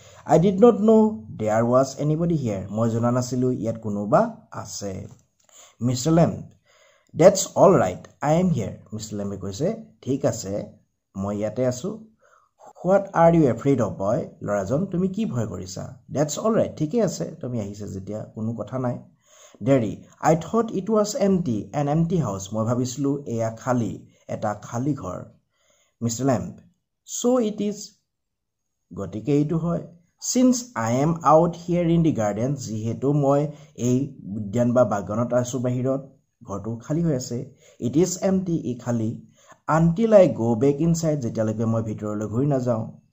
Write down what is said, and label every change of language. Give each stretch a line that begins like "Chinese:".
English: I did not know' there was anybody here,
Assamese: মই জনা নাছিলোঁ ইয়াত কোনোবা আছে।
English: mister Lamb, that's all right, I am here,
Assamese: mister লেম্বে কৈছে ঠিক আছে মই ইয়াতে আছোঁ।
English: what are you afraid of, boy
Assamese: ল'ৰাজন তুমি কি ভয় কৰিছা।
English: that's all right,
Assamese: ঠিকেই আছে তুমি আহিছা যেতিয়া, কোনো কথা নাই।
English: Derry, I thought it was empty an empty house,
Assamese: মই ভাবিছিলোঁ এয়া খালী, এটা খালী ঘৰ।
English: mister Lamb, so' it is,
Assamese: গতিকে এইটো হয়।
English: since I am out here in the garden,
Assamese: যিহেতু মই এই উদ্যান বা বাগানত আছোঁ বাহিৰত, ঘৰটো খালী হৈ আছে।
English: it is empty,
Assamese: ই খালী।
English: until I go' back inside,
Assamese: যেতিয়ালৈকে মই ভিতৰলৈ ঘূৰি নাযাওঁ।